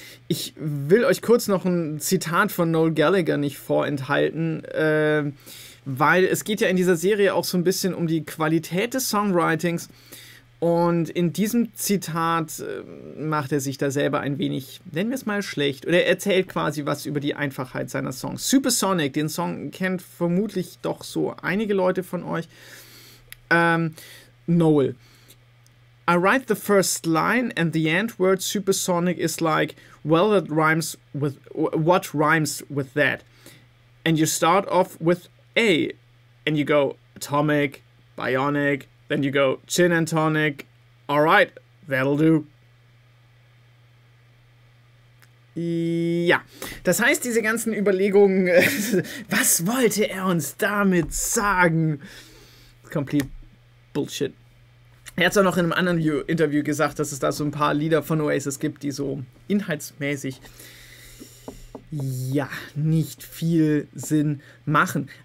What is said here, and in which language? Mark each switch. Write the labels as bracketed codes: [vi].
[de] Ich will euch kurz noch ein Zitat von Noel Gallagher nicht vorenthalten, weil es geht ja in dieser Serie auch so ein bisschen um die Qualität des Songwritings und in diesem Zitat macht er sich da selber ein wenig, nennen wir es mal, schlecht oder er erzählt quasi was über die Einfachheit seiner Songs. Supersonic, den Song kennt vermutlich doch so einige Leute von euch. [en] Noel: I write the first line and the end word supersonic is like, well, that rhymes with, what rhymes with that? And you start off with A, and you go atomic, bionic, then you go gin and tonic. All right, that'll do. [de] Ja, das heißt, diese ganzen Überlegungen, was wollte er uns damit sagen? [en] Complete Bullshit. [de] Er hat es auch noch in einem anderen Interview gesagt, dass es da so ein paar Lieder von Oasis gibt, die so inhaltsmäßig, ja, nicht viel Sinn machen.